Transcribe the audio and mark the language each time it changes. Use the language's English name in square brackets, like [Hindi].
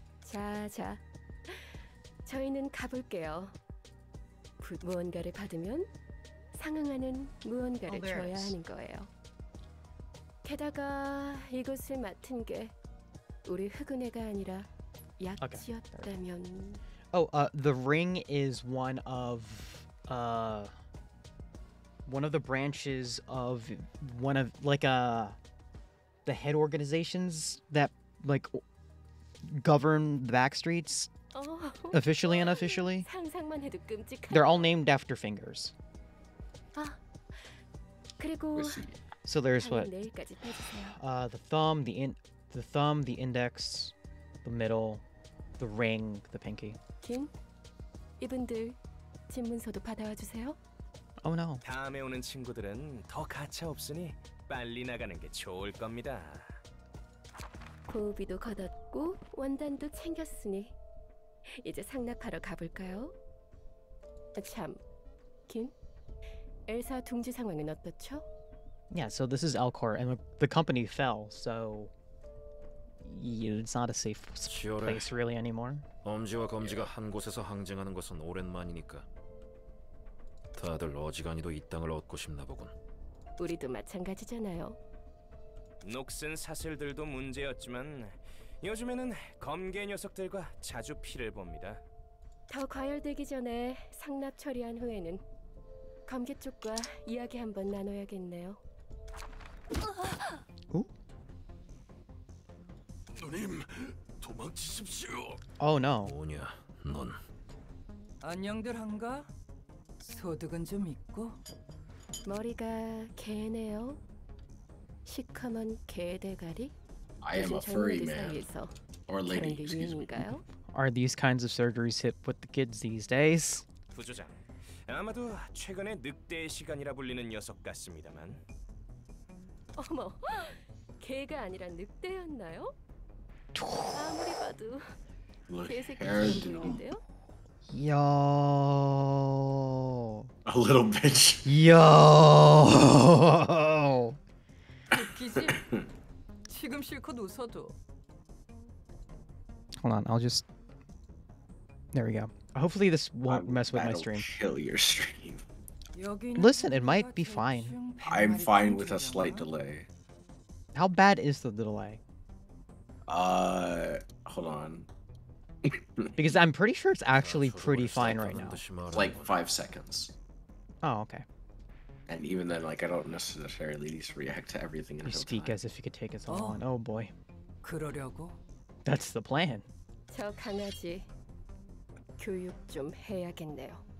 [Korean] 자, 자. 저희는 가볼게요. 무언가를 받으면 상응하는 무언가를 줘야 하는 거예요. 게다가 이곳을 맡은 게 우리 흑은혜가 아니라 약지였다면. [English] Oh, the ring is one of the branches of one of like the head organizations that like govern the Backstreets. Officially and unofficially. They're all named after fingers. So there's what? The thumb, the index, the middle, the ring, the pinky. [Korean] Kim, 이분들 질문서도 받아와 주세요. [English] Oh no. [Korean] 다음에 오는 친구들은 더 가차 없으니 빨리 나가는 게 좋을 겁니다. 고비도 걷었고 원단도 챙겼으니 이제 상락하러 가볼까요? 아, 참, 김, 엘사 둥지 상황은 어떻죠? [English] Yeah, so this is Alcor, and the company fell, so it's not a safe place really anymore. [Korean] 엄지와 검지가 한 곳에서 항쟁하는 것은 오랜만이니까 다들 어지간히도 이 땅을 얻고 싶나 보군. 우리도 마찬가지잖아요. 녹슨 사슬들도 문제였지만 요즘에는 검게 녀석들과 자주 피를 봅니다. 더 과열되기 전에 상납 처리한 후에는 검게 쪽과 이야기 한번 나눠야겠네요. 오? 누님, 도망치십시오. [English] Oh no. [Korean] 뭐냐, 넌? 안녕들 한가? 소득은 좀 있고? 머리가 개네요. 시커먼 개대가리? [English] I am a furry man. Or lady, excuse me. Are these kinds of surgeries hip with the kids these days? [Korean] 부조장, 아마도 최근에 늑대의 시간이라 불리는 녀석 같습니다만. 어머, 개가 아니라 늑대였나요? 아무리 봐도 개새끼 같은데요? [English] Yo. A little bitch. Yo. [Korean] 웃기지? 지금 실컷 웃어도. [English] Hold on, I'll just. There we go. Hopefully this won't mess with my stream. I'll kill your stream. Listen, it might be fine. I'm fine with a slight delay. How bad is the delay? Hold on. Because I'm pretty sure it's actually pretty fine right now. Like 5 seconds. Oh, okay. And even then, like, I don't necessarily need to react to everything in you real speak time. As if you could take us all on. Oh boy. [Korean] 그러려고? [English] That's the plan. [Korean] 저 강아지 교육 좀 해야겠네요.